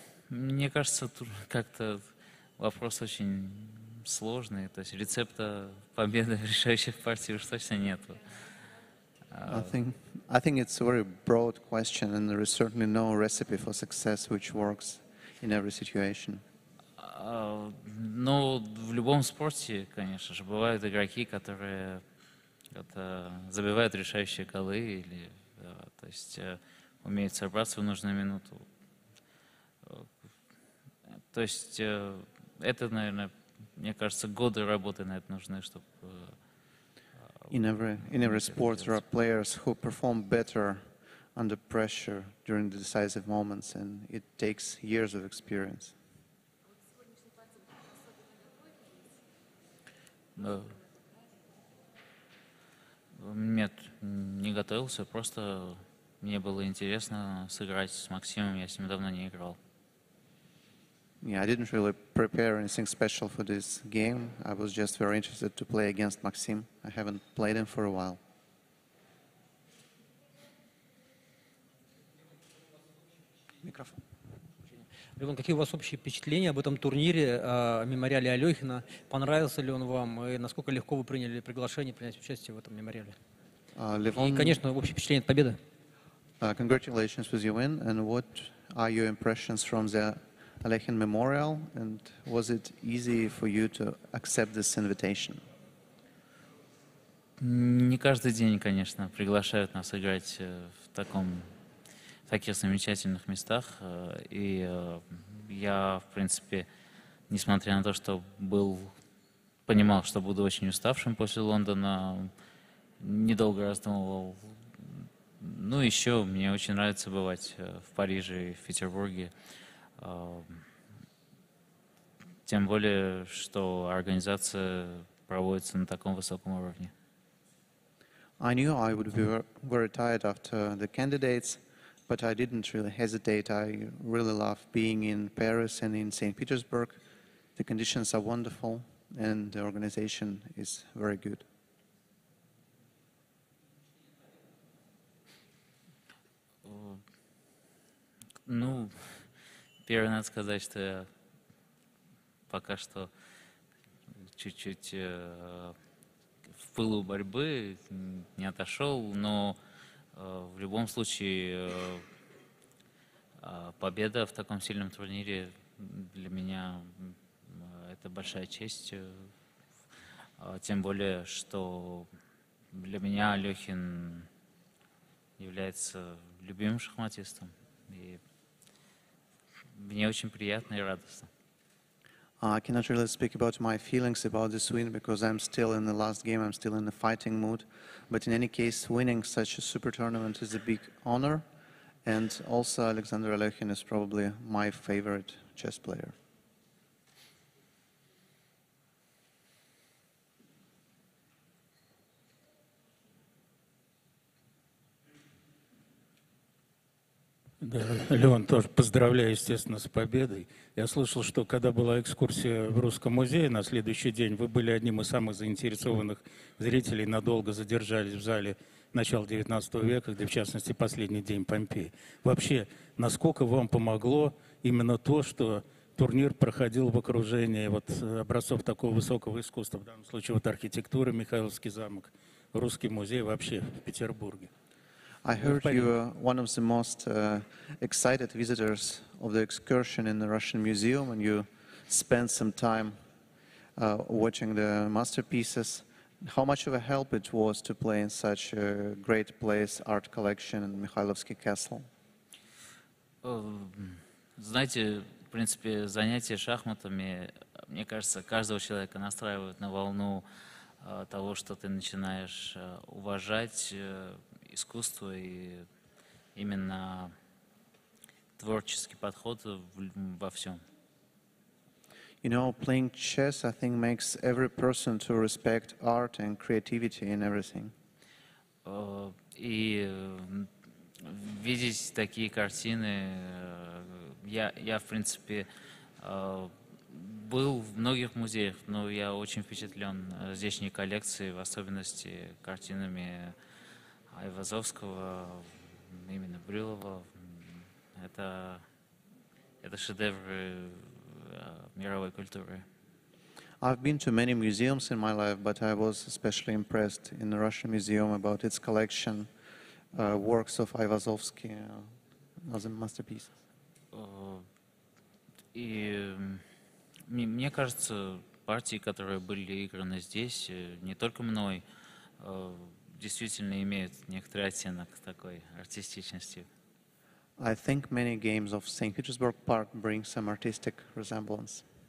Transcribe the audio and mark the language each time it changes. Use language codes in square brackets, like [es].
[ru] Мне кажется, тут как-то вопрос очень сложный. То есть рецепта победы в решающих партиях уж точно нет. [en] I think it's a very broad question, and there is certainly no recipe for success which works in every situation. [ru] Но в любом спорте, конечно же, бывают игроки, которые Это забивает решающие голы или, да, то есть умеет собраться в нужную минуту. То есть это, наверное, мне кажется, годы работы на это нужны, чтобы. [en] In every sport, there are players who perform better under pressure during the decisive moments, and it takes years of experience. [ru] Нет, не готовился. Просто мне было интересно сыграть с Максимом. Я с ним давно не играл. [en] Yeah, I didn't really prepare anything special for this game. I was just very interested to play against Maxim. I haven't played him for a while. [ru] Микрофон. Левон, какие у вас общие впечатления об этом турнире, о мемориале Алехина? Понравился ли он вам? И насколько легко вы приняли приглашение принять участие в этом мемориале? Левон, и, конечно, общее впечатление от победы. [en] Congratulations with your win. And what are your impressions from the Alekhine Memorial, and was it easy for you to accept this invitation? [ru] Не каждый день, конечно, приглашают нас играть в таком, в таких замечательных местах, и я, в принципе, несмотря на то, что был, понимал, что буду очень уставшим после Лондона, недолго раздумывал. Ну, еще мне очень нравится бывать в Париже и в Петербурге. Тем более, что организация проводится на таком высоком уровне. [en] I knew I would be very tired after the candidates, but I didn't really hesitate. I really love being in Paris and in St. Petersburg. The conditions are wonderful and the organization is very good. [ru] Ну, первое, надо сказать, что я пока что чуть-чуть в пылу борьбы не отошел, но в любом случае победа в таком сильном турнире для меня это большая честь, тем более, что для меня Алехин является любимым шахматистом. И мне очень приятно и радостно. [en] I cannot really speak about my feelings about this win because I'm still in the last game, I'm still in the fighting mood. But in any case, winning such a super tournament is a big honor. And also, Alexander Alekhine is probably my favorite chess player. [ru] Да, Леон, тоже поздравляю, естественно, с победой. Я слышал, что когда была экскурсия в Русском музее на следующий день, вы были одним из самых заинтересованных зрителей, надолго задержались в зале начала XIX века, где, в частности, последний день Помпеи. Вообще, насколько вам помогло именно то, что турнир проходил в окружении вот образцов такого высокого искусства, в данном случае вот архитектуры, Михайловский замок, Русский музей вообще в Петербурге? [en] I heard you are one of the most excited visitors of the excursion in the Russian Museum, and you spent some time watching the masterpieces. How much of a help it was to play in such a great place, art collection, in Mikhailovsky Castle? [ru] Знаете, в принципе, занятия шахматами, мне кажется, каждого человека настраивают на волну того, что ты начинаешь уважать искусство и именно творческий подход во всем. [en] You know, playing chess, I think, makes every person to respect art and creativity in everything. [ru] И видеть такие картины, я в принципе был в многих музеях, но я очень впечатлен здешней коллекцией, в особенности картинами Айвазовского, именно Брюлова. Это шедевры мировой культуры. [en] I've been to many museums in my life, but I was especially impressed in the Russian Museum about its collection works of Айвазовский as a masterpiece. [ru] И мне кажется, партии, которые были играны здесь, не только мной, действительно имеют некоторый оттенок такой артистичности. [en] I think many games of St. Petersburg Park bring some artistic resemblance.